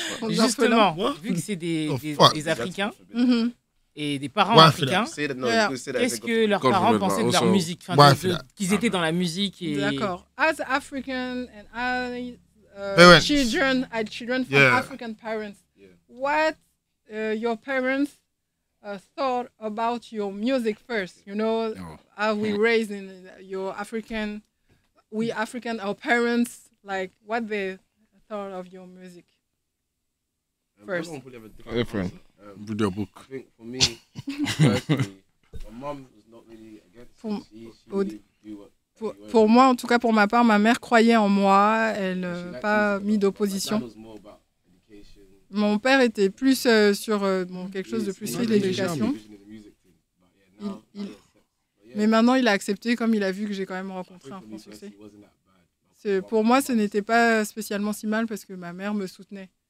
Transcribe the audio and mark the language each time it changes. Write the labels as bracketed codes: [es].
[fr] Justement, vu que c'est des Africains et des parents africains, qu'est-ce que leurs parents pensaient de leur musique, qu'ils étaient dans la musique et... D'accord. [en] As African and children from African parents, what your parents thought about your music first? You know, are we raised in your African, we African, our parents, like what they thought of your music first? Different. Read your book. I think for me, personally, my mom was not really against it. [fr] Pour moi, en tout cas, pour ma part, ma mère croyait en moi. Elle n'a pas mis d'opposition. Mon père était plus quelque chose de plus sur l'éducation. Mais maintenant, il a accepté, comme il a vu que j'ai quand même rencontré un franc succès. Pour moi, ce n'était pas spécialement si mal parce que ma mère me soutenait.